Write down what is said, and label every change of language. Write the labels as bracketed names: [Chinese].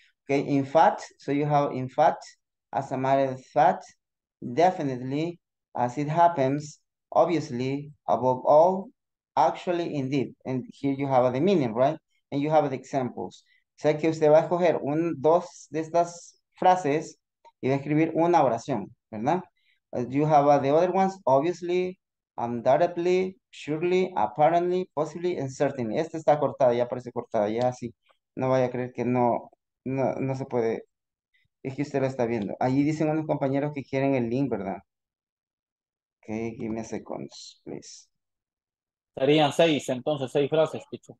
[English] Okay, in fact, so you have in fact, as a matter of fact, definitely, as it happens, obviously, above all, actually, indeed. And here you have the meaning, right? And you have the examples. [Spanish] O sea que usted va a escoger dos de estas frases y va a escribir una oración, ¿verdad? [English] You have the other ones, obviously, undoubtedly, surely, apparently, possibly, and certainly. [Spanish] Esta está cortada, ya parece cortada, ya así. No vaya a creer que no se puede. Es que usted lo está viendo. Allí dicen unos compañeros que quieren el link, ¿verdad? [English] Okay, give me a second, please. [Spanish] Serían seis, entonces, seis frases, Picho.